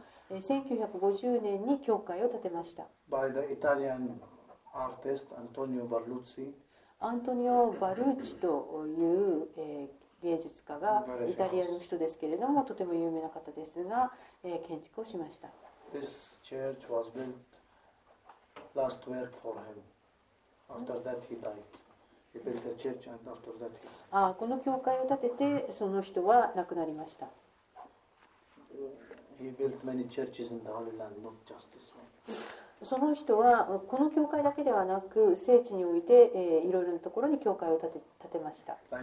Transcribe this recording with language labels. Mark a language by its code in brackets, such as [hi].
[ja] 1950年に教会を建てました。 [en] By the Italian artist Antonio Barlucci. [ja] アントニオ・バルーチという、芸術家がイタリアの人ですけれども、とても有名な方ですが、建築をしました。 [en] This church was built last work for him. After that he died. He built the church and after that he died. [ja] この教会を建ててその人は亡くなりました。 [en] He built many churches in the Holy Land, not just this one. [ja] その人はこの教会だけではなく、聖地においていろいろなところに教会を建てました。